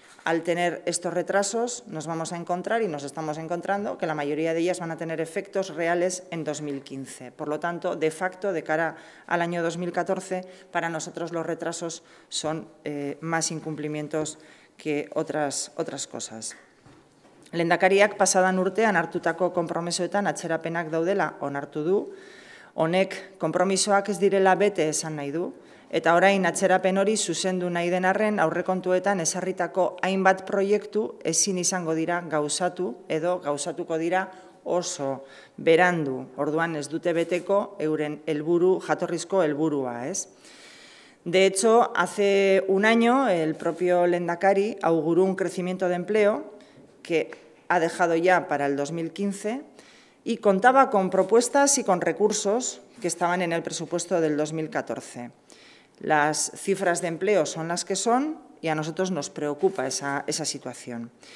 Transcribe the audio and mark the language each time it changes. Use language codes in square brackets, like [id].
[es] Al tener estos retrasos nos vamos a encontrar y nos estamos encontrando que la mayoría de ellas van a tener efectos reales en 2015. Por lo tanto, de facto, de cara al año 2014, para nosotros los retrasos son más incumplimientos que otras cosas. [eu] Lehendakariak pasadan urtean hartutako konpromisoetan atzerapenak daudela onartu du. Honek konpromisoak ez direla bete esan nahi du. Eta orain atzerapen hori zuzendu nahi den arren aurrekontuetan ezarritako hainbat proiektu ezin izango dira gauzatu edo gauzatuko dira oso berandu. Orduan ez dute beteko euren helburu, jatorrizko helburua, ez? [es] De hecho, hace un año el propio Lehendakari auguró un crecimiento de empleo que ha dejado ya para el 2015 y contaba con propuestas y con recursos que estaban en el presupuesto del 2014. Las cifras de empleo son las que son y a nosotros nos preocupa esa situación.